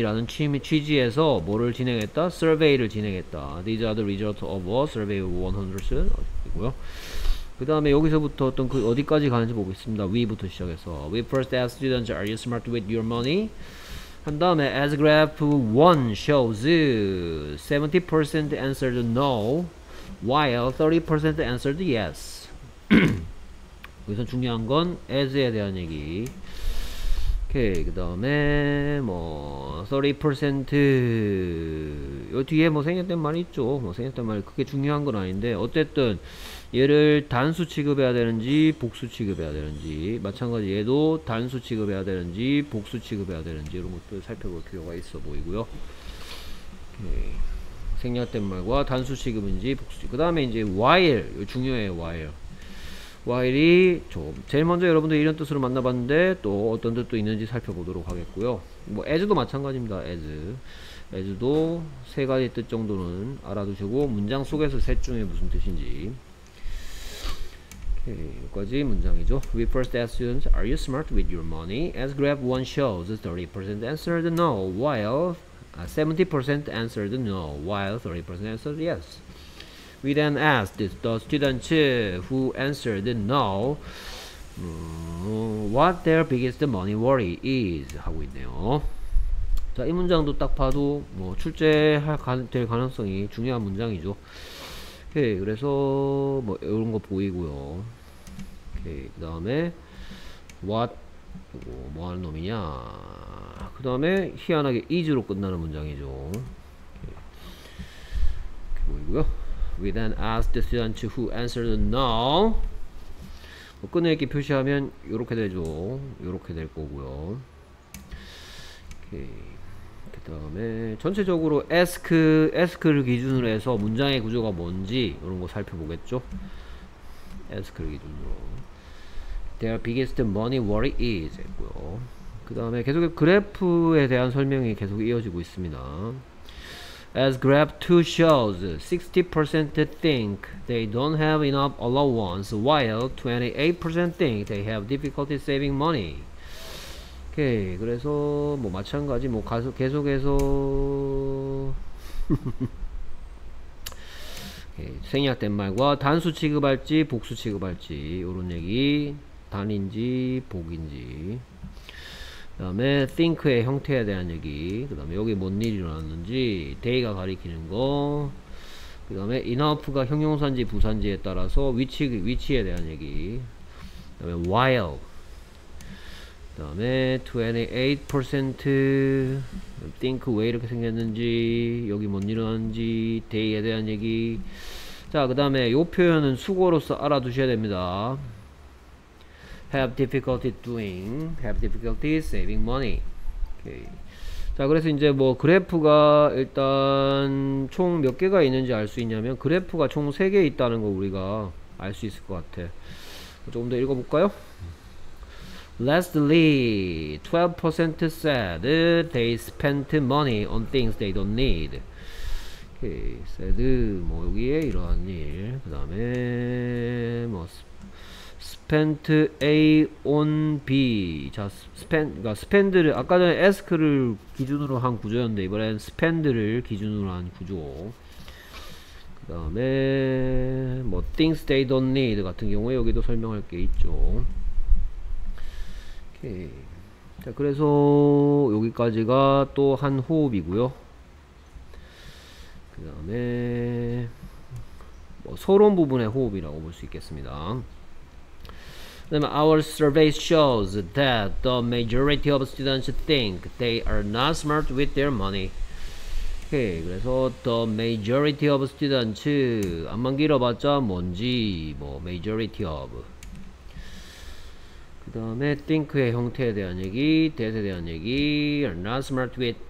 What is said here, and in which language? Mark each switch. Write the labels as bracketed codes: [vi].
[ko] 라는 취지에서 뭐를 진행했다? Survey를 진행했다. [en] These are the results of a survey of 100. [ko] 이고요. 그 다음에 여기서부터 어떤 그 어디까지 가는지 보겠습니다. We부터 시작해서. [en] We first asked students, Are you smart with your money? [ko] 한 다음에, [en] As graph 1 shows, 70% answered no, while 30% answered yes. [ko] 여기서 중요한 건 as에 대한 얘기. 오케이 그 다음에 뭐 30% 요 뒤에 뭐 생략된 말이 있죠 뭐 생략된 말이 그게 중요한 건 아닌데 어쨌든 얘를 단수 취급해야 되는지 복수 취급해야 되는지 마찬가지 얘도 단수 취급해야 되는지 복수 취급해야 되는지 이런 것도 살펴볼 필요가 있어 보이고요 오케이 생략된 말과 단수 취급인지 복수 취급 그 다음에 이제 while 요 중요해 while while이 제일 먼저 여러분들 이런 뜻으로 만나봤는데 또 어떤 뜻도 있는지 살펴보도록 하겠고요 뭐 as도 마찬가지입니다 as 애주도 세 가지 뜻 정도는 알아두시고, 문장 속에서 셋 중에 무슨 뜻인지. 여기까지 문장이죠. [en] We first asked students, Are you smart with your money? As graph 1 shows, 30% answered no, while 70% answered no, while 30% answered yes. We then asked the students who answered no, what their biggest money worry is [ko] 하고 있네요. 자, 이 문장도 딱 봐도 뭐 출제할 될 가능성이 중요한 문장이죠. 오케이, 그래서 뭐 이런 거 보이고요. 오케이, 그 다음에 what 뭐 하는 놈이냐. 그 다음에 희한하게 is로 끝나는 문장이죠. 오케이, 보이고요. [en] We then asked the student who answered no. [ko] 뭐 끝내기 표시하면 이렇게 되죠. 이렇게 될 거고요. 오케이. 그다음에 전체적으로 ask를 기준으로 해서 문장의 구조가 뭔지 이런 거 살펴보겠죠. ask를 기준으로 [en] their biggest money worry is [ko] 했고요. 그다음에 계속해서 그래프에 대한 설명이 계속 이어지고 있습니다. [en] As graph 2 shows, 60% think they don't have enough allowance, while 28% think they have difficulty saving money. [ko] 오케이, 그래서 뭐 마찬가지 뭐 가서 계속해서 오케이, 생략된 말과 단수 취급할지 복수 취급할지 요런 얘기, 단인지 복인지, 그다음에 think의 형태에 대한 얘기, 그다음에 여기 뭔 일이 일어났는지, day가 가리키는 거, 그다음에 enough가 형용사인지 부사인지에 따라서 위치에 대한 얘기, 그다음에 while, 그다음에 28% think 왜 이렇게 생겼는지, 여기 뭔 일어났는지, day에 대한 얘기. 자, 그다음에 요 표현은 수고로서 알아두셔야 됩니다. [en] Have difficulty doing, have difficulty saving money. 오케이. [ko] 자, 그래서 이제 뭐 그래프가 일단 총몇 개가 있는지 알수 있냐면, 그래프가 총 3개 있다는 거 우리가 알수 있을 것 같아. 조금 더 읽어볼까요? [en] Lastly, 12% said they spent money on things they don't need. [ko] Okay, said 뭐 여기에 이러한 일, 그 다음에 뭐 [en] spent A on B. [ko] 자, spend 그러니까 spend를 아까 전에 ask를 기준으로 한 구조였는데 이번엔 spend를 기준으로 한 구조. 그 다음에 뭐 things they don't need 같은 경우에 여기도 설명할 게 있죠. 오케이. 자, 그래서 여기까지가 또한 호흡이고요. 그 다음에 뭐 서론 부분의 호흡이라고 볼수 있겠습니다. 그다음에 [en] Our survey shows that the majority of students think they are not smart with their money. [ko] 오케이, 그래서 [en] the majority of students [ko] 앞만 길어봤자 뭔지 뭐 majority of 그 다음에 think의 형태에 대한 얘기, that에 대한 얘기, [en] are not smart with.